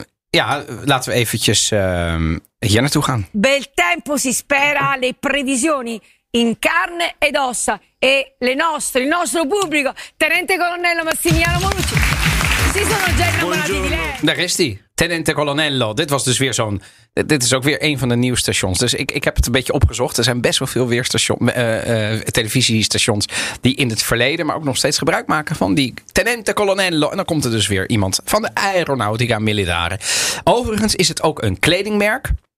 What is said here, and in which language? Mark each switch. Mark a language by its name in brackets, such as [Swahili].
[Dutch] Maar laten we eventjes hier naartoe gaan. [Italian] Bel tempo si spera le previsioni in carne ed ossa e le nostre, il nostro pubblico, tenente colonnello Massimiliano Monucci. Si sono già innamorati di lei. [Dutch] Daar is die. Tenente Colonello, dit was dus weer zo'n... Dit is ook weer een van de nieuwe stations. Dus ik heb het een beetje opgezocht. Er zijn best wel veel weer televisiestations... die in het verleden, maar ook nog steeds gebruik maken... van die Tenente Colonello. En dan komt er dus weer iemand van de Aeronautica Militare. Overigens is het ook een kledingmerk.